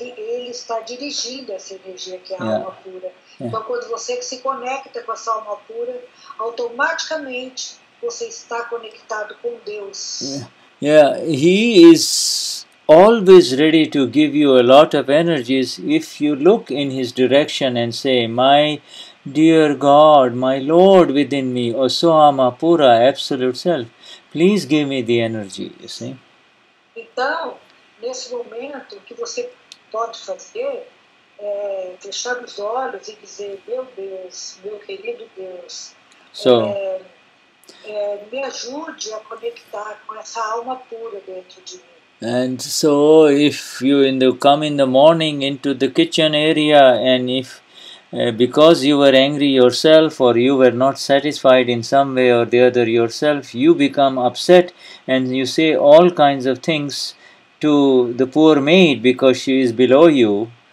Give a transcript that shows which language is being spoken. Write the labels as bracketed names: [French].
[Portuguese] Ele está dirigindo essa energia, que é a alma pura. Yeah. Então, quando você se conecta com essa alma pura, automaticamente você está conectado com Deus. Yeah. Yeah. [English] He is always ready to give you a lot of energies if you look in his direction and say, my dear God, my Lord within me, Osama Pura, Absolute Self, please give me the energy, you see. [Portuguese] Então, nesse momento, o que você pode fazer é fechar os olhos e dizer, meu Deus, meu querido Deus, me ajude a conectar com essa alma pura dentro de mim. [English] And so if you come in the morning into the kitchen area, and if because you were angry yourself or you were not satisfied in some way or the other yourself, you become upset and you say all kinds of things to the poor maid because she is below you.